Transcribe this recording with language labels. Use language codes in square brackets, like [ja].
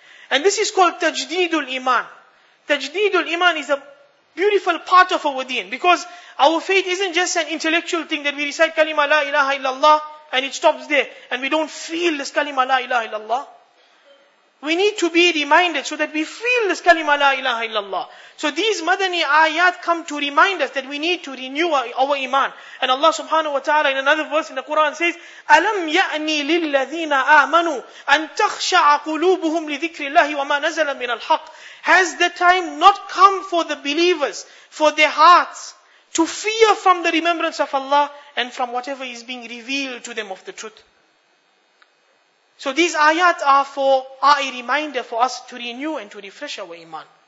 [en] And this is called tajdeedul iman. Tajdeedul iman is a beautiful part of our deen, because our faith isn't just an intellectual thing that we recite kalima la ilaha illallah and it stops there and we don't feel this kalima la ilaha illallah. We need to be reminded so that we feel this kalima la ilaha illallah. So these madani ayat come to remind us that we need to renew our iman. And Allah subhanahu wa ta'ala in another verse in the Quran says, [ar] أَلَمْ يَأْنِي لِلَّذِينَ آمَنُوا أَن تَخْشَعَ قُلُوبُهُمْ لِذِكْرِ اللَّهِ وَمَا نَزَلَ مِنَ الْحَقِّ. [en] Has the time not come for the believers, for their hearts, to fear from the remembrance of Allah and from whatever is being revealed to them of the truth? So these ayat are a reminder for us to renew and to refresh our iman.